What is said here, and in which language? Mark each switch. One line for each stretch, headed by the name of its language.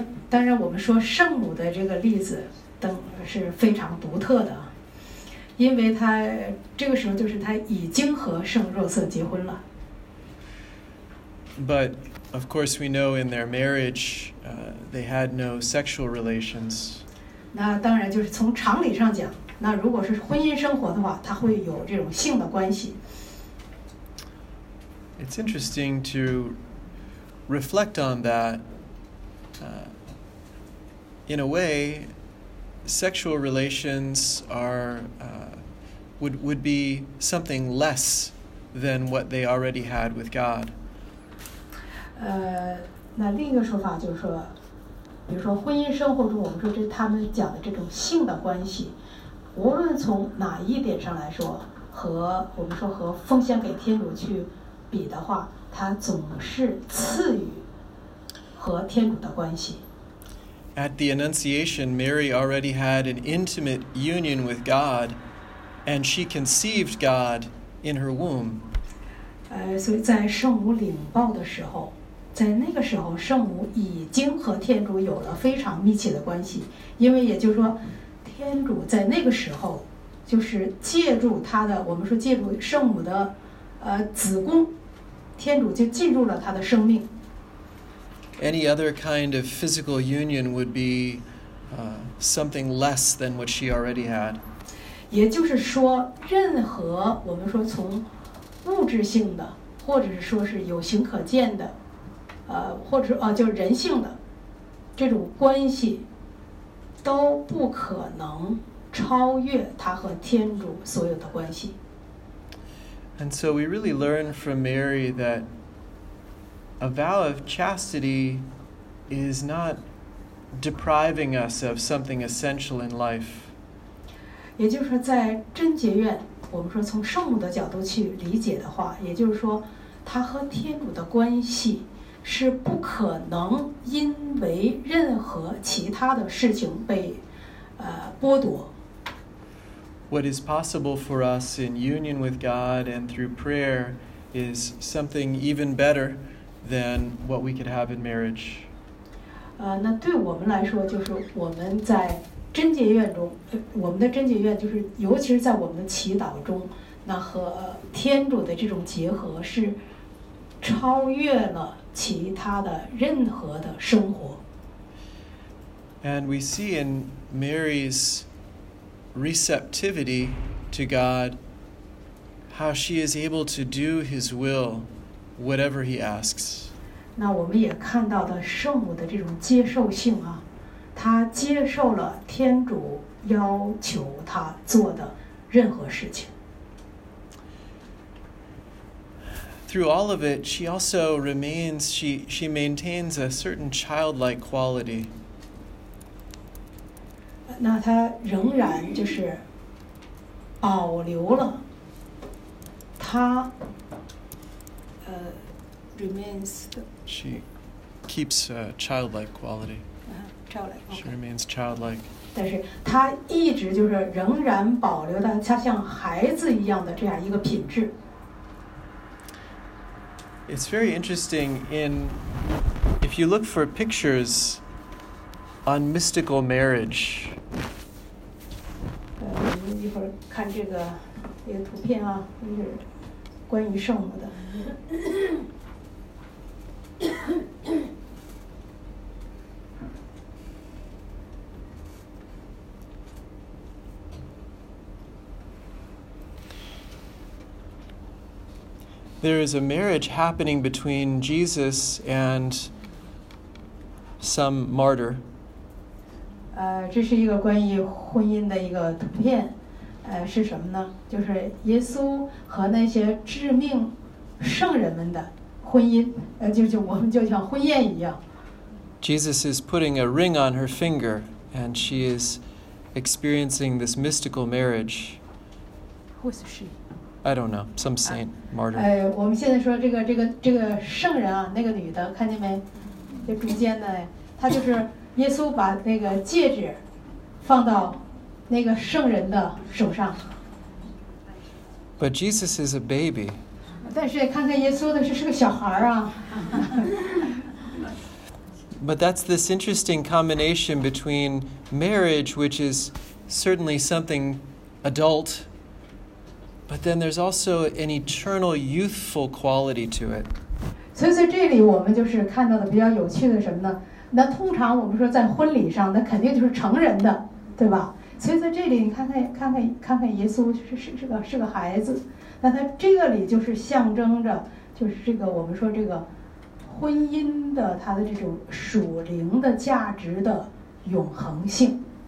Chinese: 当然我们说圣母的这个例子是非常独特的，因为她这个时候就是她已经和圣若瑟结婚了。
English: But of course we know in their marriage they had no sexual relations.
Chinese: 那当然就是从常理上讲，那如果是婚姻生活的话，他会有这种性的关系。
English: It's interesting to reflect on that. In a way, sexual relations are would be something less than what they already had with God.
Chinese: 那另一个说法就是说，比如说婚姻生活中，我们说这他们讲的这种性的关系，无论从哪一点上来说，和我们说和奉献给天主去比的话，它总是次于和天主的关系。
English: At the Annunciation, Mary already had an intimate union with God, and she conceived God in her womb.
Chinese: 所以在圣母领报的时候，在那个时候，圣母已经和天主有了非常密切的关系，因为也就是说，天主在那个时候，就是借助他的，我们说借助圣母的，子宫，天主就进入了他的生命。
English: Any other kind of physical union would be something less than what she already had.
Chinese: 也就是说，任何我们说从物质性的，或者是说是有形可见的，或者就是人性的这种关系，都不可能超越她和天主所有的关系。
English: And so we really learn from Mary that a vow of chastity is not depriving us of something essential in life.
Chinese: 也就是说在贞洁院，我们说从圣母的角度去理解的话，也就是说她和天主的关系是不可能因为任何其他的事情被剥夺。
English: What is possible for us in union with God and through prayer is something even better than what we could have in marriage.
Chinese: 那对我们来说，就是我们在贞洁院中，我们的贞洁院就是尤其是在我们的祈祷中，那和天主的这种结合是超越了其他的任何的生活。
English: And we see in Mary's receptivity to God how she is able to do His will whatever He asks.
Chinese: 那我们也看到的圣母的这种接受性啊，她接受了天主要求她做的任何事情。
English: Through all of it, she also remains, she maintains a certain childlike quality.
Chinese: 那她仍然就是保留了她
English: remains the... She keeps a childlike quality. Childlike, okay. She remains childlike.
Chinese: 但是她一直就是仍然保留的她像孩子一样的这样一个品质。
English: It's very interesting in, if you look for pictures on mystical marriage.
Chinese: 我们一会儿看这个图片啊，就是关于圣母的。 There is a marriage happening between Jesus and some martyr. 这是一个关于婚姻的一个图片。是什么呢？就是耶稣和那些致命圣人们的婚姻。就我们就像婚宴一样。
English: Jesus is putting a ring on her finger, and she is experiencing this mystical marriage. Who is she? I don't know, some saint, martyr.
Chinese: 我们现在说这个圣人啊，那个女的，看见没？这中间的，她就是耶稣把那个戒指放到那个圣人的手上。
English: But Jesus is a baby.
Chinese: 但是看看耶稣的是个小孩啊。
English: But that's this interesting combination between marriage, which is certainly something adult,But then there's also an eternal youthful quality to it.
Chinese: 所以在这里我们就是看到的比较有趣的什么呢，那通常我们说在婚礼上那肯定就是成人的，对吧？所以在这里你看看耶稣就是个孩子，那他这个里就是象征着就是这个我们说这个婚姻的他的这种属灵的价值的永恒性。